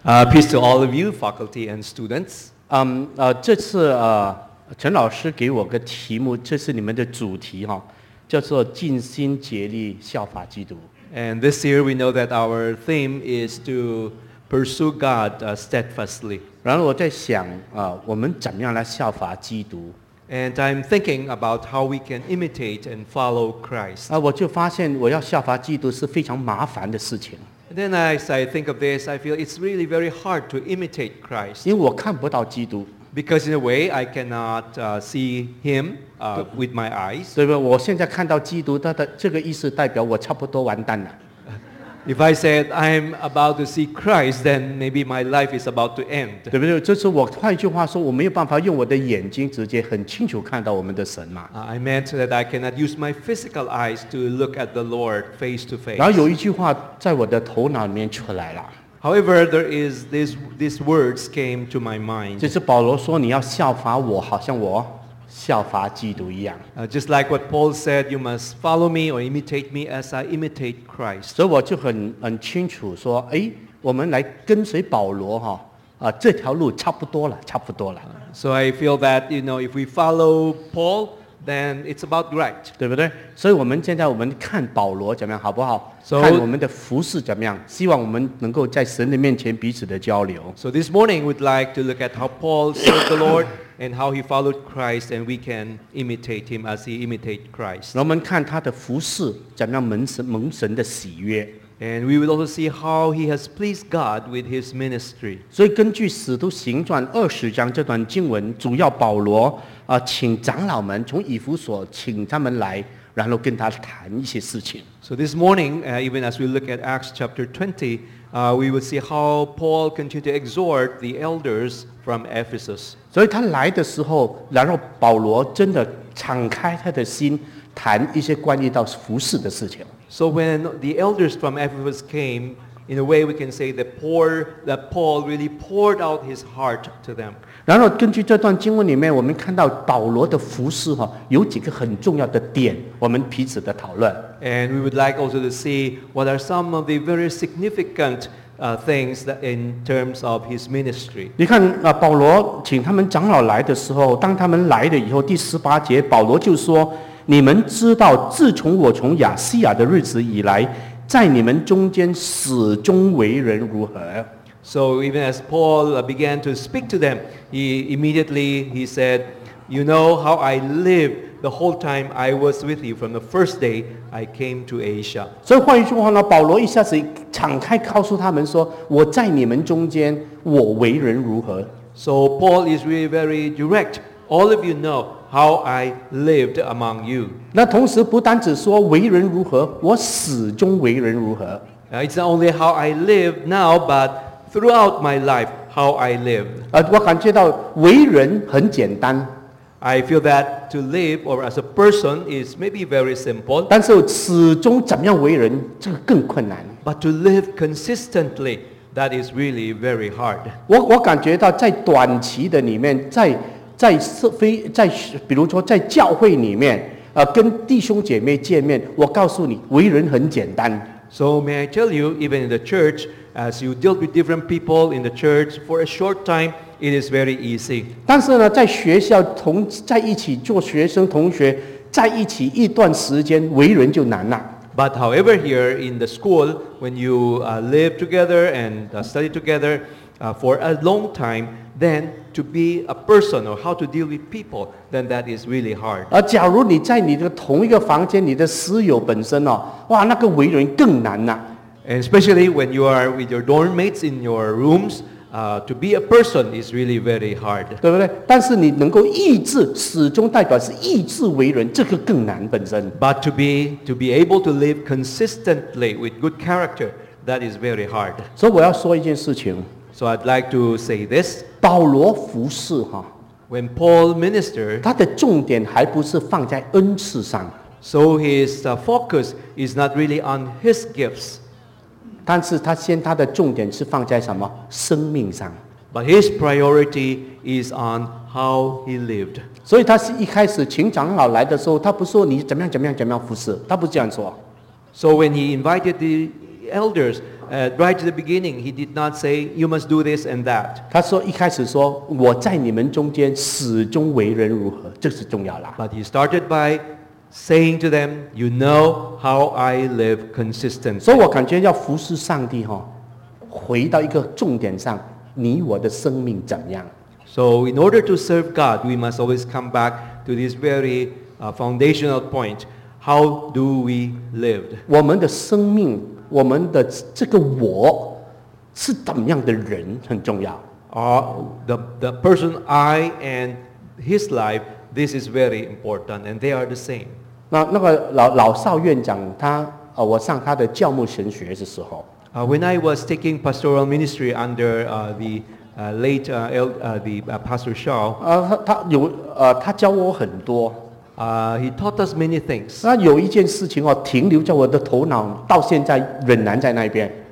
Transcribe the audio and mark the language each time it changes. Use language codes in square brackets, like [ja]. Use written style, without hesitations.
[en] Peace to all of you, faculty and students. [zh] 这次陈老师给我个题目，这是你们的主题哈，叫做尽心竭力效法基督。 [en] And this year we know that our theme is to pursue God steadfastly. [zh] 然后我在想我们怎么样来效法基督。 [en] And I'm thinking about how we can imitate and follow Christ. [zh] 我就发现我要效法基督是非常麻烦的事情。 [en] And then as I think of this, I feel it's really very hard to imitate Christ. [zh] 因为我看不到基督。 [en] Because in a way, I cannot see him with my eyes. [zh] 对吧？我现在看到基督，他的这个意思代表我差不多完蛋了。 [en] If I said I'm about to see Christ, then maybe my life is about to end. [zh] 对不对？这是我换一句话说，我没有办法用我的眼睛直接很清楚看到我们的神嘛。 [en] I meant that I cannot use my physical eyes to look at the Lord face to face. [zh] 然后有一句话在我的头脑里面出来了。 [en] However, there is these words came to my mind. [zh] 就是保罗说你要效法我，好像我效法基督一样。 [en] Just like what Paul said, you must follow me or imitate me as I imitate Christ. [zh] 所以我就很清楚说，哎，我们来跟随保罗哈，这条路差不多了，差不多了。 [en] So I feel that you know if we follow Paul, then it's about right. [zh] 对不对？所以我们现在我们看保罗怎么样，好不好？ [en] So, [zh] 看我们的服事怎么样？希望我们能够在神的面前彼此的交流。 [en] So this morning we'd like to look at how Paul served the Lord. And how he followed Christ, and we can imitate him as he imitate Christ. [zh] 我们看他的服事怎么样蒙神的喜悦。 [en] And we will also see how he has pleased God with his ministry. [zh] 所以根据使徒行传二十章这段经文，主要保罗请长老们从以弗所请他们来，然后跟他谈一些事情。 [en] So this morning, even as we look at Acts chapter 20, we will see how Paul continued to exhort the elders from Ephesus. [zh] 所以他来的时候，然后保罗真的敞开他的心，谈一些关于到服事的事情。 [en] So when the elders from Ephesus came, in a way we can say that Paul really poured out his heart to them. [zh] 然后根据这段经文里面，我们看到保罗的服事哈，有几个很重要的点，我们彼此的讨论。 [en] And we would like also to see what are some of the very significant things that in terms of his ministry. [zh] 你看保罗请他们长老来的时候，当他们来了以后，第十八节保罗就说，你们知道自从我从亚细亚的日子以来，在你们中间始终为人如何。 [en] So even as Paul began to speak to them, he immediately he said, you know how I live the whole time I was with you from the first day I came to Asia. [zh] 所以换一句话呢，保罗一下子敞开告诉他们说，我在你们中间，我为人如何。 [en] So Paul is really very direct. All of you know how I lived among you. [zh] 那同时不单只说为人如何，我始终为人如何。 [en] It's not only how I live now, but throughout my life, how I live. [zh] 我感觉到为人很简单。 [en] I feel that to live or as a person is maybe very simple. [zh] 但是始终怎么样为人，这个更困难。 [en] But to live consistently, that is really very hard. [zh] 我感觉到在短期的里面，在社会，在比如说在教会里面，跟弟兄姐妹见面，我告诉你，为人很简单。 [en] So may I tell you, even in the church, as you deal with different people in the church for a short time. It is very easy. [zh] 但是呢，在学校同在一起做学生同学，在一起一段时间，为人就难了。 [en] But however, here in the school, when you live together and study together for a long time, then to be a person or how to deal with people, then that is really hard. [zh] 而假如你在你的同一个房间，你的室友本身哦，哇，那个为人更难了。 [en] And especially when you are with your dorm mates in your rooms. To be a person is really very hard. [zh] 对不对？但是你能够意志始终代表是意志为人，这个更难本身。 [en] But to be able to live consistently with good character, that is very hard. [zh] 所以我要说一件事情。 [en] So I'd like to say this. [zh] 保罗服事哈。 [en] When Paul ministered, [zh] 他的重点还不是放在恩赐上。 [en] So his focus is not really on his gifts. [zh] 但是他先他的重点是放在什么生命上。 [en] But his priority is on how he lived. [zh] 所以他是一开始请长老来的时候，他不说你怎么样怎么样怎么样服侍，他不这样说。 [en] So when he invited the elders, right at the beginning, he did not say, you must do this and that. [zh] 他说一开始说，我在你们中间始终为人如何，这是重要啦。 [en] But he started by saying to them, you know how I live consistently. [zh] 所以我感觉要服侍上帝，回到一个重点上，你我的生命怎么样。 [en] So in order to serve God, we must always come back to this very foundational point. How do we live? [zh] 我们的生命，我们的这个我是怎么样的人很重要。 [en] The person I and his life, this is very important, and they are the same. [zh] 那个 老少院长他，我上他的教牧神学的时候。 [en] When I was taking pastoral ministry under the late the Pastor Shaw, [zh] 他教我很多。 [en] He taught us many things. [zh] 那有一件事情哦，停留在我的头脑，到现在仍然在那边。